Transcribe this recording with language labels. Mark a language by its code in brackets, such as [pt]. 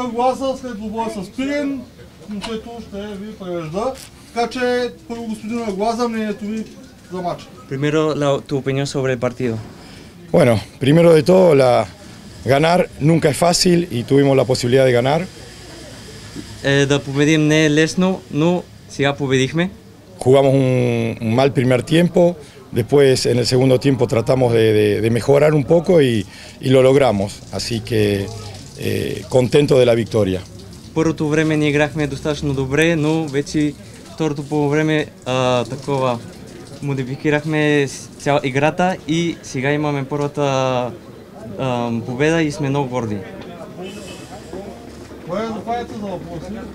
[bg] гласа, след това с Пирин, което ще ви превежда. Така че, първо господина Глаза, мнението ви за мача. [es] Primero, tu opinión sobre el partido. Bueno, primero de todo, ganar nunca es fácil y tuvimos la posibilidad de ganar. [bg] Да победим не е лесно, но сега победихме. [es] Jugamos un mal primer tiempo, después en el segundo tiempo tratamos de mejorar un poco y lo logramos. Así que contento de la victoria. [bg] Първото време ни играхме достатъчно добре, но вече второто по време такова модифицирахме цяла играта и сега имаме първата победа и сме много горди. Кое е запаяте за въпроси?